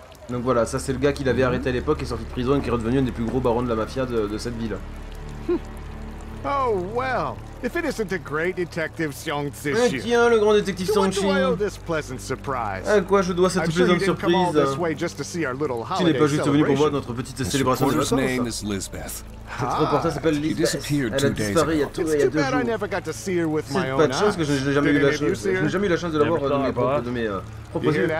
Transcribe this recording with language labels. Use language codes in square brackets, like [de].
[fr] Donc voilà, ça c'est le gars qui l'avait arrêté à l'époque, qui est sorti de prison et qui est redevenu un des plus gros barons de la mafia de cette ville. [en] Oh well, if it isn't the great detective Xiong Zixiu. [fr] Mais tiens, le grand détective Xiong Zixiu. À quoi je dois cette plaisante surprise? Tu n'es pas juste venu pour voir notre petite célébration de vacances? Cette reporter s'appelle Lisbeth. Elle a disparu il y a deux jours. C'est pas de chance que je n'ai jamais eu la chance de la voir dans mes propres yeux.